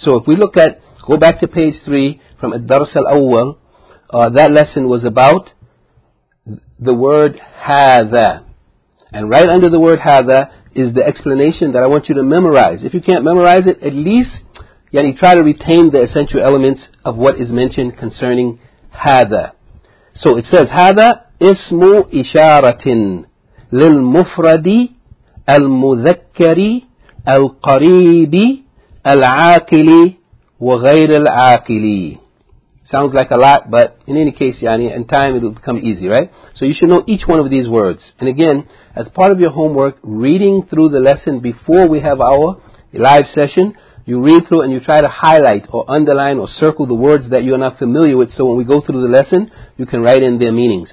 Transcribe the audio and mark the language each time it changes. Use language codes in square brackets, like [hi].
[en] So if we look at, go back to page 3 from Ad-Dars Al-Awwal, that lesson was about the word hadha. And right under the word hadha is the explanation that I want you to memorize. If you can't memorize it, at least try to retain the essential elements of what is mentioned concerning hadha. [ar] So it says, هذا اسم إشارة للمفرد المذكر القريب العاقل وغير العاقل. [en] Sounds like a lot, but in any case, in time it will become easy, right? So you should know each one of these words. And again, as part of your homework, reading through the lesson before we have our live session, you read through and you try to highlight or underline or circle the words that you are not familiar with, so when we go through the lesson, you can write in their meanings.